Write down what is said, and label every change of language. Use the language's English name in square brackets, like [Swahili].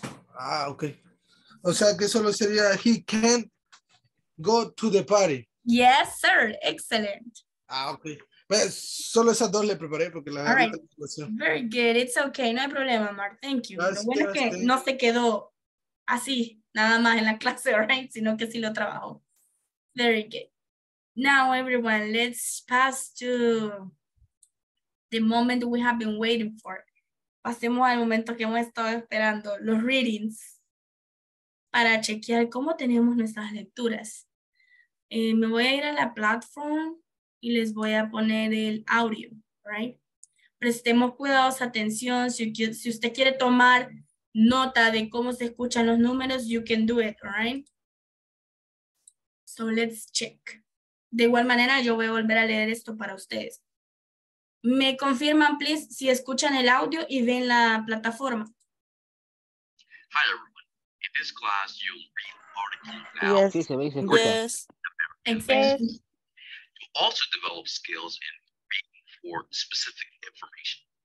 [Spanish] Ah, ok. O sea que solo sería [English] he can't go to the party. Yes, sir. Excellent. [Spanish] Ah, ok. Pues solo esas dos le preparé porque la... [English] All right. Very good. It's okay. [Spanish] No hay problema, Mar. [English] Thank you. [Spanish] Gracias, lo bueno es que no se quedó así, nada más en la clase, [English] right? [Spanish] Sino que sí lo trabajó. [English] Very good. Now, everyone, let's pass to the moment we have been waiting for. [Spanish] Pasemos al momento que hemos estado esperando, los readings, para chequear cómo tenemos nuestras lecturas. Me voy a ir a la plataforma y les voy a poner el audio, right? Prestemos cuidados, atención. Si usted quiere tomar nota de cómo se escuchan los números, [English] you can do it, right? So let's check. [Spanish] De igual manera, yo voy a volver a leer esto para ustedes. Me confirman, please, si escuchan el audio y ven la plataforma. [English] Hi, everyone. In this class, you'll read articles now. Yes, [Spanish] sí, se ve y se escucha. [English] Yes. Exactly. You also develop skills in reading for specific information.